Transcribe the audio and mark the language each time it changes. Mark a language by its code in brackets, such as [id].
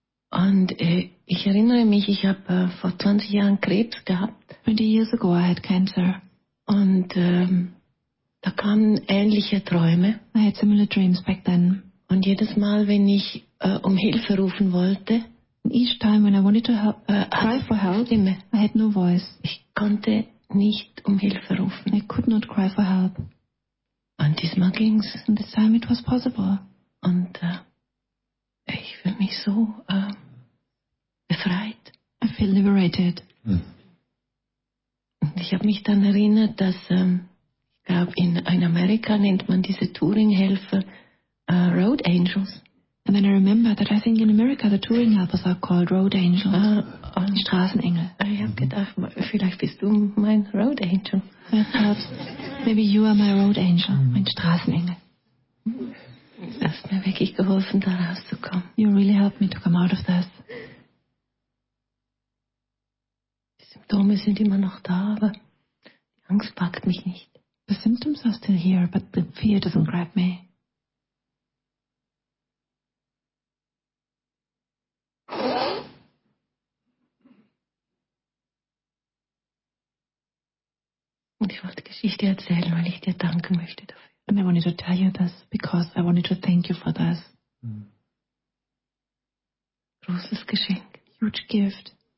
[de] Und ich erinnere mich, ich habe vor 20 Jahren Krebs gehabt. [en] 20 years ago I had cancer. [de] Und da kamen ähnliche Träume. [en] I had similar dreams back then. [de] Und jedes Mal, wenn ich um Hilfe rufen wollte, [en] each time when I wanted to help, cry for help, [de] Stimme. [en] I had no voice. [de] Ich konnte nicht um Hilfe rufen. [en] I could not cry for help. [de] Und diesmal ging's. [en] And this time it was possible. [de] Und ich fühle mich so befreit. [en] I feel liberated. Hm. [de] Und ich habe mich dann erinnert, dass ich glaube in Amerika nennt man diese Touring-Helfer Road Angels. [en] And then I remember that I think in America the touring helpers are called road angels. [de] Straßenengel. [en] I have [de] gedacht, vielleicht bist du mein road angel. [en] Maybe you are my road angel, [de] mein Straßenengel. Du hast mir wirklich geholfen, da rauszukommen. [en] You really helped me to come out of this. [de] Die Symptome sind immer noch da, aber die Angst packt mich nicht. [en] The symptoms are still here, but the fear doesn't grab me. [de] Und ich wollte Geschichte erzählen, weil ich dir danken möchte dafür. [en] And I wanted to tell you this because I wanted to thank you for this. [de] Großes Geschenk. [en] Huge gift.